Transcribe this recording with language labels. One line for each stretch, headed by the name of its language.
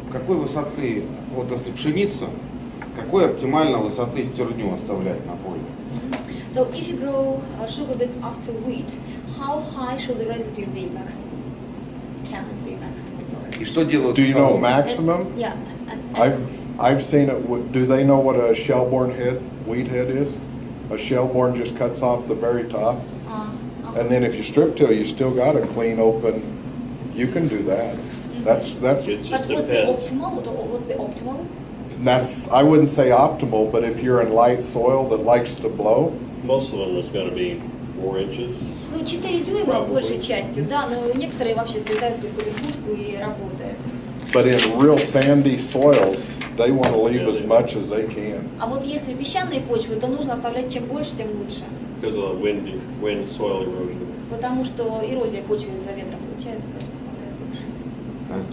Russian: Какой высоты, вот если пшеница, какой оптимально высоты стерню оставлять на поле?
English: So if you grow sugar beets after wheat, how high should the residue be maximum? Can it be maximum?
Russian: И что делают?
English: Do you know maximum? I've seen it. Do they know what a shellborn head, wheat head is? A shellborn just cuts off the very top. And then if you strip till, you still got a clean open. You can do that. Mm-hmm. That's. It just depends. But what's the optimal? That's, I wouldn't say optimal, but if you're in light soil that likes to blow. Most of them is going to be 4 inches.
Russian: Ну, 4 дюйма большей частью, да, но некоторые вообще срезают только верхушку и работают.
English: But in real sandy soils, they want to leave as much as they can.
Russian: А вот если песчаные почвы, то нужно оставлять чем больше, тем лучше.
English: Because of the wind soil erosion.
Russian: Потому что эрозия почвы из-за ветра получается, поэтому оставляют больше.